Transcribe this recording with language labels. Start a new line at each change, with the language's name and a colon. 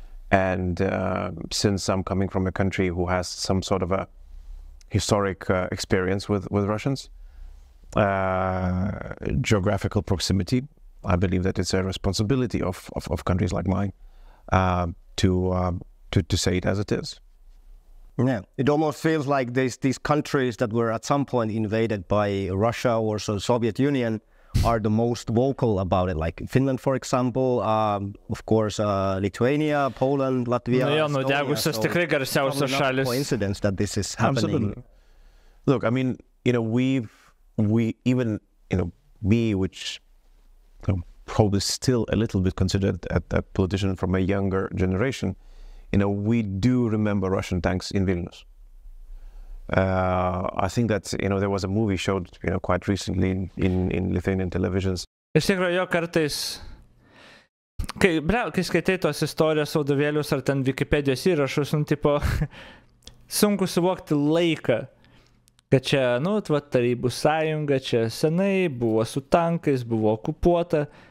English: And since I'm coming from a country who has some sort of a historic experience with Russians, geographical proximity, I believe that it's a responsibility of countries like mine to say it as it is. Yeah, it almost feels like these countries that were at some point invaded by Russia or so Soviet Union are the most vocal about it. Like Finland, for example, of course, Lithuania, Poland, Latvia.
Lithuanian: No, no, Estonia, so tikrai garsiausia šalis.
English: Coincidence that this is happening. Absolutely. Look, I mean, you know, which. So probably still a little bit considered a politician from a younger generation, you know, we do remember Russian tanks in Vilnius. I think that, you know, there was a movie showed, you know, quite recently in Lithuanian televisions.
Lithuanian: Iš tikrųjų, jo kartais, kai skaitai tos istorijos, audovėlius ar ten Wikipedijos įrašus, nu, tipo, sunku suvokti laiką. Kad čia, nu, tarybų sąjunga, čia senai, buvo su tankais, buvo okupuota.